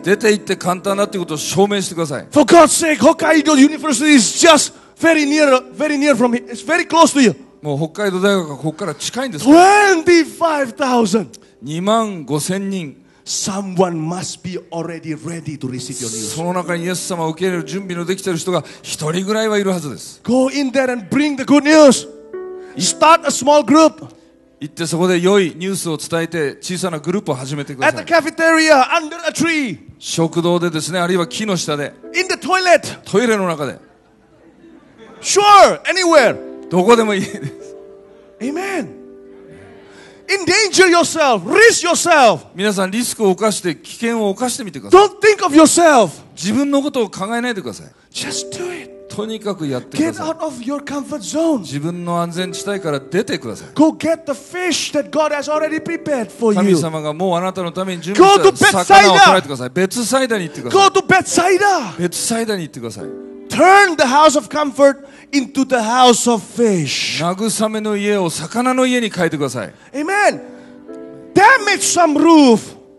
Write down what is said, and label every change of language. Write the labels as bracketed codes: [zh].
[ja] 出て行って簡単だってことを証明してください。 [en] For God's sake, Hokkaido University is just very near from here. It's very close to you. [ja] もう北海道大学がここから近いんですか。25,000. 25,000人。 [en] Someone must be already ready to receive your news. [ja] その中にイエス様を受け入れる準備のできている人が一人ぐらいはいるはずです。 [en] Go in there and bring the good news. Start a small group. [ja] 行ってそこで良いニュースを伝えて小さなグループを始めてください。 [en] At the cafeteria, under a tree. [ja] 食堂でですね、あるいは木の下で。 [en] In the toilet. [ja] トイレの中で。 [en] Sure, anywhere. [ja] どこでもいいです。 [en] Amen. Endanger yourself, risk yourself. [ja] 皆さんリスクを犯して危険を犯してみてください。 [en] Don't think of yourself. [ja] 自分のことを考えないでください。 [en] Just do it. [ja] とにかくやってください。 [en] Get out of your comfort zone. [ja] 自分の安全地帯から出てください。 [en] Go get the fish that God has already prepared for you. [ja] 神様がもうあなたのために準備した魚を捕らえてください。ベツサイダに行ってください。 [en] Go to Bethsaida. [ja] ベツサイダに行ってください。 [en] Turn the house of comfort. Into the house of fish. [ja] 慰めの家を魚の家に変えてください。 [en] Amen. Damage some roof.